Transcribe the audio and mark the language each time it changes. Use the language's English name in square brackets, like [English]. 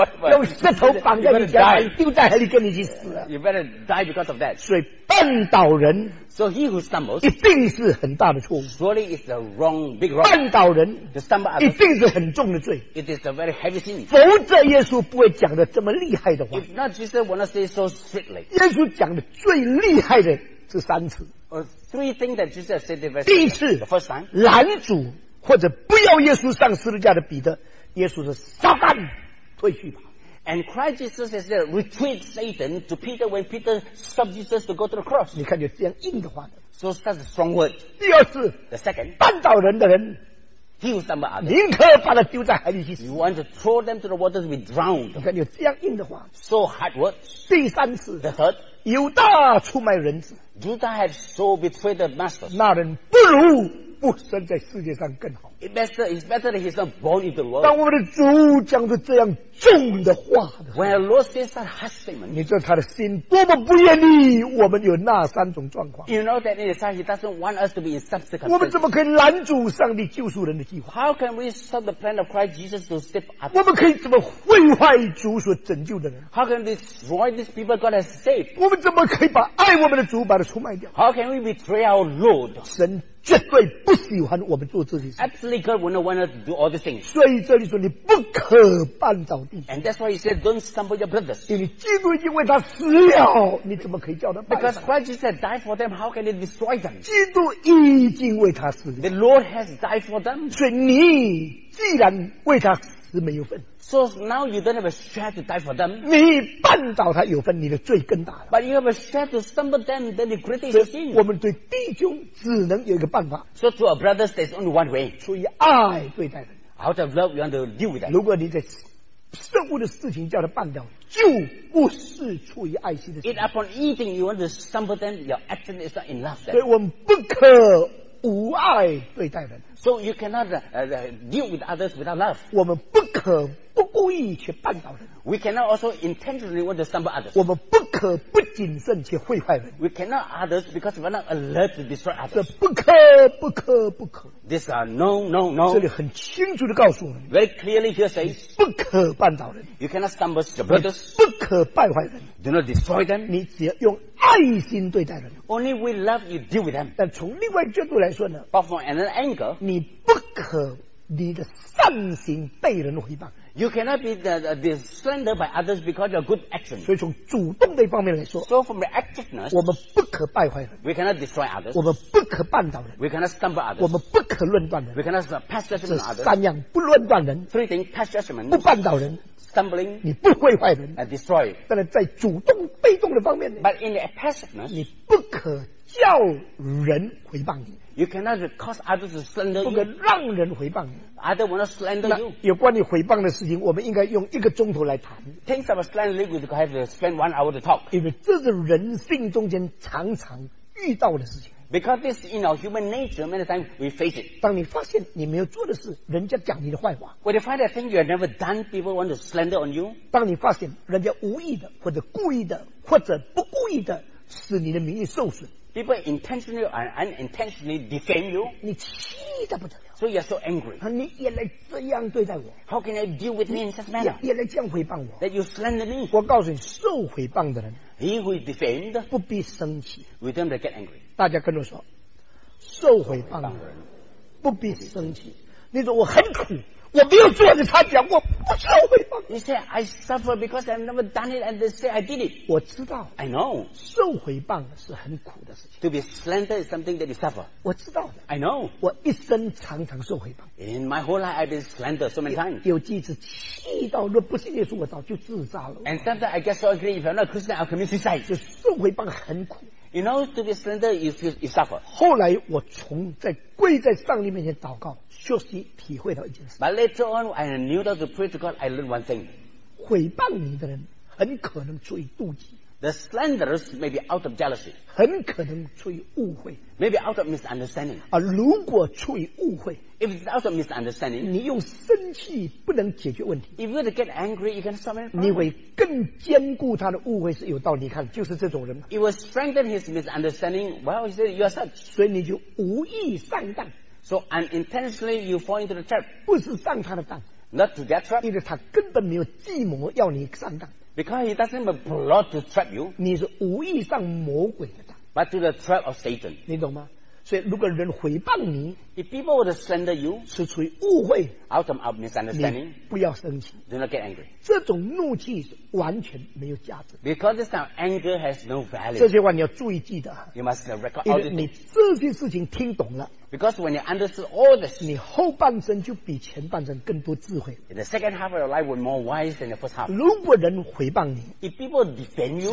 [Chinese] 用石头绑在你家，丢在海里跟你去死了。 [English] You better die because of that. [Chinese] 所以绊倒人 [English] ，So he who stumbles [Chinese] 一定是很大的错误。 [English] Surely it's the wrong big wrong. [Chinese] 绊倒人 [English] ，the stumble others [Chinese] 一定是很重的罪。 [English] It is a very heavy sin. [Chinese] 否则耶稣不会讲的这么厉害的话。 [English] If not, Jesus would not say so strictly. [Chinese] 耶稣讲的最厉害的是三次。 [English] Three things that Jesus said the first. [Chinese] 第一次 [English] ，the first time， [Chinese] 拦阻或者不要耶稣上十字架的彼得。耶稣是撒旦退去吧。 [English] And Christ Jesus has said, retreat Satan to Peter when Peter stopped Jesus to go to the cross. [Chinese] 你看就这样硬的话。 [English] So that's a strong word. [Chinese] 第二次。 [English] The second. [Chinese] 绊倒人的人。 [English] He was number other. [Chinese] 宁可把他丢在海里去死。 [English] You want to throw them to the water to be drowned. [Chinese] 你看就这样硬的话。 [English] So hard words. [Chinese] 第三次。 [English] The third. [Chinese] 犹大出卖人子。 [English] Judas had so betrayed the master. [Chinese] 那人不如。不生在世界上更好。 [English] It's better that he's not born into the world. [Chinese] 当我们的主讲着这样重的话的时候 [English] ，When our Lord says that harsh statement， [Chinese] 你知道他的心多么不愿意我们有那三种状况。 [English] You know that in his heart he doesn't want us to be in such circumstances. [Chinese] 我们怎么可以拦阻上帝救赎人的计划 [English] ？How can we stop the plan of Christ Jesus to step up？ [Chinese] 我们可以怎么毁坏主所拯救的人 [English] ？How can we destroy these people God has saved？ [Chinese] 我们怎么可以把爱我们的主把他出卖掉 [English] ？How can we betray our Lord？ [Chinese] 神。绝对不喜欢我们做这些事。 [English] Absolutely, God would not want us to do all these things. [Chinese] 所以这里说你不可绊倒弟兄。 [English] And that's why he said, don't stumble your brothers. [Chinese] 因为基督已经为他死了，你怎么可以叫他绊倒 [English] ？Because Christ just said, die for them. How can he destroy them? [Chinese] 基督已经为他死了。 [English] The Lord has died for them. [Chinese] 所以你既然为他死没有份。 [English] So now you don't have a share to die for them. [Chinese] 你绊倒他有份，你的罪更大了。 [English] But you have a share to stumble them, then the greater your sin. [Chinese] 我们对弟兄只能有一个办法。 [English] So to our brothers, there's only one way. [Chinese] 出于爱对待人。 [English] Out of love, you want to deal with that. [Chinese] 如果你在圣物的事情叫他绊倒，就不是出于爱心的事情。 [English] It upon eating, you want to stumble them, your action is not in love. [Chinese] 所以我们不可无爱对待人。 [English] So you cannot deal with others without love. [Chinese] 我们不可不故意去绊倒人。 [English] We cannot also intentionally want to stumble others. [Chinese] 我们不可不谨慎去毁坏人。 [English] We cannot others because we're not alert to destroy others. [Chinese] 这不可不可不可。 [English] These are no, no, no. [Chinese] 这里很清楚地告诉我们。 [English] Very clearly here says, [Chinese] 不可绊倒人。 [English] You cannot stumble your brothers. [Chinese] 不可败坏人。 [English] Do not destroy them. [Chinese] 你只要用爱心对待人。 [English] Only with love you deal with them. [Chinese] 但从另外角度来说呢。 [English] But from another angle, [Chinese] 你不可你的善行被人回报。 [English] You cannot be the slandered by others because of good action. [Chinese] 所以从主动的方面来说 [English] ，So from the activeness， [Chinese] 我们不可败坏人 [English] ，We cannot destroy others， [Chinese] 我们不可绊倒人 [English] ，We cannot stumble others， [Chinese] 我们不可论断人 [English] ，We cannot pass judgment on others。 [Chinese] 这三样不论断人 [English] ，Three things pass judgment， [Chinese] 不绊倒人 [English] ，Stumbling， [Chinese] 你不毁坏人 [English] ，And destroy。 [Chinese] 但是在主动被动的方面 [English] ，But in the passiveness， [Chinese] 你不可叫人回报你。 [English] You cannot cause others to slander you. [Chinese] 不可让人回谤你。 [English] Others will not slander you. [Chinese] 有关于回谤的事情，我们应该用一个钟头来谈。 [English] Things about slandering we have to spend 1 hour to talk. [Chinese] 因为这是人性中间常常遇到的事情。 [English] Because this in our human nature, many times we face it. [Chinese] 当你发现你没有做的事，人家讲你的坏话。 [English] When you find a thing you have never done, people want to slander on you. [Chinese] 当你发现人家无意的或者故意的或者不故意的使你的名誉受损。 [English] People intentionally and unintentionally defend you. [Chinese] 你气得不得了。 [English] So you are so angry. [Chinese] 你也来这样对待我。 [English] How can I deal with me in such manner? [Chinese] 也来这样回谤我。 [English] That you slander me. [Chinese] 我告诉你，受回谤的人 [English] ，He who is defamed, [Chinese] 不必生气。 [English] We don't get angry. [Chinese] 大家跟我说，受回谤的人，不必生气。你说我很苦。我没有做，他讲我不需要回报。 [English] You say I suffer because I've never done it, and they say I did it. [Chinese] 我知道 [English] ，I know. [Chinese] 受回报是很苦的事情。 [English] To be slandered is something that you suffer. [Chinese] 我知道 [English] ，I know. [Chinese] 我一生常常受回报。 [English] In my whole life, I've been slandered so many times. [Chinese] 有几次气到，若不是耶稣，我早就自杀了。 [English] And sometimes I get so angry if I'm not Christian, I'll commit suicide. [Chinese] 就受回报很苦。 [English] You know, to be slandered, you suffer. [Chinese] 后来我从在跪在上帝面前祷告。就是体会到一件事。 [English] But later on, I knew that to pray to God, I learned one thing. [Chinese] 毁谤你的人很可能出于妒忌。 [English] The slanderers may be out of jealousy. [Chinese] 很可能出于误会。 [English] Maybe out of misunderstanding. [Chinese] 啊，如果出于误会。 [English] If it's out of misunderstanding. [Chinese] 你用生气不能解决问题。 [English] If you get angry, you can't solve it. [Chinese] 你会更坚固他的误会是有道理。你看，就是这种人。 [English] It will strengthen his misunderstanding. Well, he said you are such. [Chinese] 所以你就无意上当。 [English] So unintentionally you fall into the trap. [Chinese] 不是上他的当。 [English] Not to get trapped. [Chinese] 因为他根本没有计谋要你上当。 [English] Because he doesn't have a plot to trap you. [Chinese] 你是无意上魔鬼的当。 [English] But to the trap of Satan. [Chinese] 你懂吗？所以如果人诽谤你， [English] if people would slander you, [Chinese] 是出于误会， [English] out of misunderstanding, [Chinese] 你不要生气。 [English] Do not get angry. [Chinese] 这种怒气是完全没有价值。 [English] Because this kind of anger has no value. [Chinese] 这些话你要注意记得。 [English] You must record all this. [Chinese] 你这些事情听懂了。 [English] Because when you understood all this, [Chinese] 你后半生就比前半生更多智慧。 [English] In the second half of your life, you're more wise than the first half. [Chinese] 如果人诽谤你， [English] if people defend you,